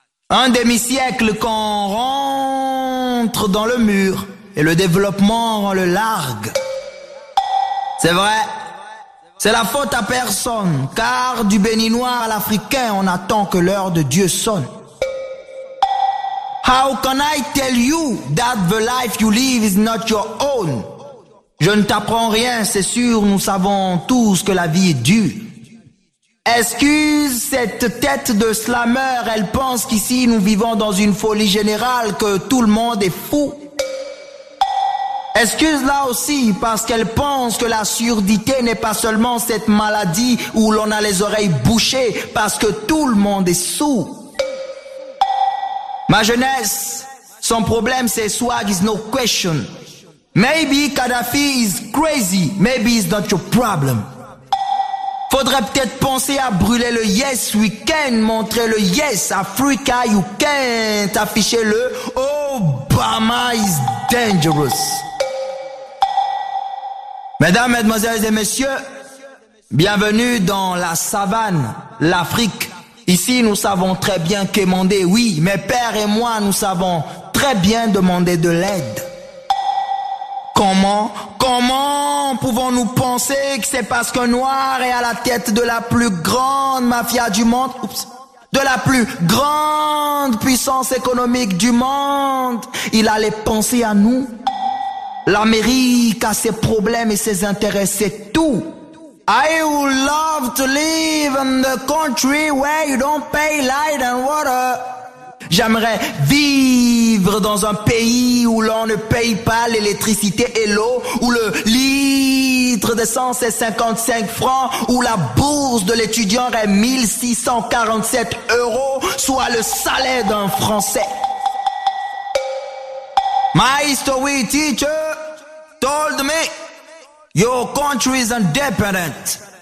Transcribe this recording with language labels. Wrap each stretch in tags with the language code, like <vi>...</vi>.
<fr>Un demi-siècle qu'on rentre dans le mur et le développement rend le largue. C'est vrai, c'est la faute à personne, car du béninois à l'africain, on attend que l'heure de Dieu sonne.</fr> <en>How can I tell you that the life you live is not your own?</en> <fr>Je ne t'apprends rien, c'est sûr, nous savons tous que la vie est dure. Excuse cette tête de slameur, elle pense qu'ici nous vivons dans une folie générale, que tout le monde est fou. Excuse-la aussi, parce qu'elle pense que la surdité n'est pas seulement cette maladie où l'on a les oreilles bouchées, parce que tout le monde est sourd. Ma jeunesse, son problème c'est</fr> <en>swag is no question. Maybe Kadhafi is crazy, maybe it's not your problem.</en> <fr>Faudrait peut-être penser à brûler le</fr> <en>yes weekend,</en> <fr>montrer le</fr> <en>yes Africa you can't,</en> <fr>afficher le</fr> <en>Obama is dangerous.</en> <fr>Mesdames, mesdemoiselles et messieurs, bienvenue dans la savane, l'Afrique. Ici, nous savons très bien qu'émander, oui, mes pères et moi, nous savons très bien demander de l'aide. Comment pouvons-nous penser que c'est parce qu'un noir est à la tête de la plus grande mafia du monde, de la plus grande puissance économique du monde, il allait penser à nous? L'Amérique a ses problèmes et ses intérêts, c'est tout.</fr> <en>I would love to live in the country where you don't pay light and water.</en> <fr>J'aimerais vivre dans un pays où l'on ne paye pas l'électricité et l'eau, où le litre d'essence est 55 francs, où la bourse de l'étudiant est 1647 euros, soit le salaire d'un Français.</fr> <en>My history teacher told me, your country is independent.</en>